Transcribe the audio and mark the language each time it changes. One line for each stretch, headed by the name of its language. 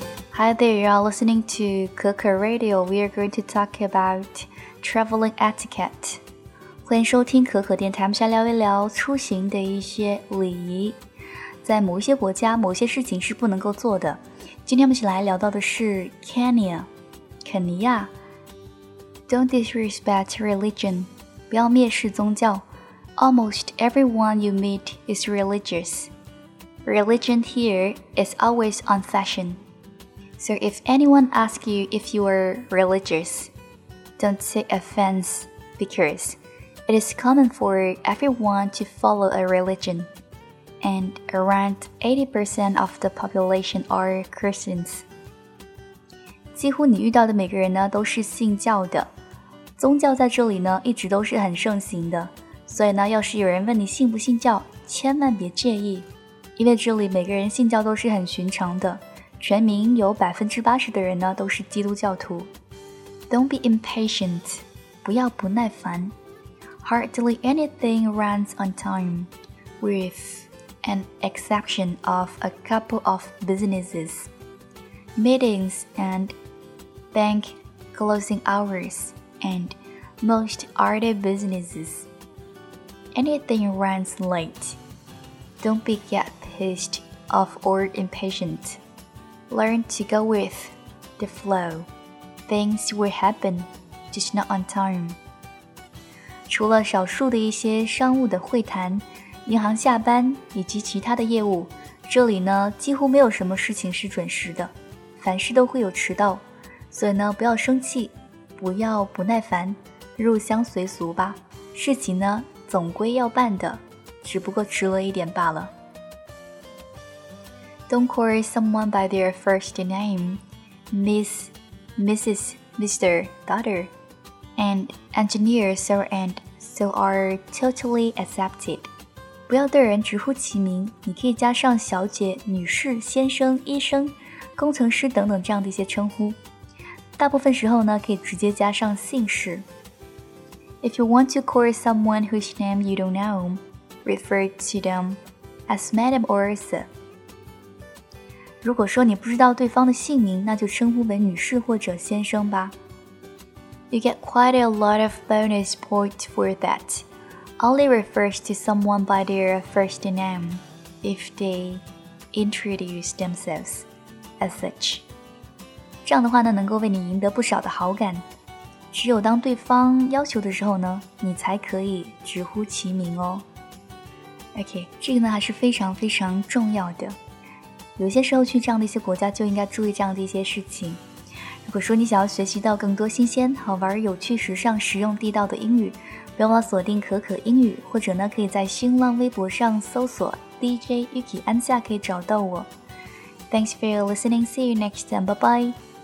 English: Hi there, you are listening to Keke Radio. We are going to talk about traveling etiquette.
Chinese: 欢迎收听可可电台，我们先聊一聊出行的一些礼仪。在某些国家，某些事情是不能够做的。今天我们先来聊到的是 Kenya, 肯尼亚。
English: Don't disrespect religion.
Chinese: 不要蔑视宗教。
English: Almost everyone you meet is religious. Religion here is always on fashion. So if anyone asks you if you are religious, don't take offense because it is common for everyone to follow a religion. And around 80% of the population are Christians.
Chinese: 几乎你遇到的每个人呢都是信教的。宗教在这里呢一直都是很盛行的。所以呢要是有人问你信不信教千万别介意。因为这里每个人信教都是很寻常的。全民有 80% 的人呢都是基督教徒。
English: Don't be impatient,
Chinese: 不要不耐烦。
English: Hardly anything runs on time, with an exception of a couple of businesses, meetings and bank closing hours, and most other businesses. Anything runs late. Don't be get pissed off or impatient. Learn to go with the flow. Things will happen, just not on time.
Chinese: 除了少数的一些商务的会谈、银行下班以及其他的业务，这里呢几乎没有什么事情是准时的，凡事都会有迟到，所以呢不要生气，不要不耐烦，入乡随俗吧，事情呢总归要办的，只不过迟了一点罢了。
English: Don't call someone by their first name, Miss, Mrs, Mr, Daughter. And engineers are and so are totally accepted.
Chinese: 不要对人直呼其名，你可以加上小姐、女士、先生、医生、工程师等等这样的一些称呼。大部分时候呢，可以直接加上姓氏。
English: If you want to call someone whose name you don't know, refer to them as Madam or Sir.
Chinese: 如果说你不知道对方的姓名，那就称呼为女士或者先生吧。
English: You get quite a lot of bonus points for that. Only refers to someone by their first name if they introduce themselves as such.
Chinese: 这样的话呢，能够为你赢得不少的好感。只有当对方要求的时候呢，你才可以直呼其名哦。 OK, 这个呢还是非常非常重要的。有些时候去这样的一些国家就应该注意这样的一些事情。如果说你想要学习到更多新鲜、好玩、有趣、时尚、实用、地道的英语，不要忘了锁定可可英语，或者呢，可以在新浪微博上搜索 DJ Yuki 安夏，可以找到我。
English: Thanks for listening. See you next time. Bye bye.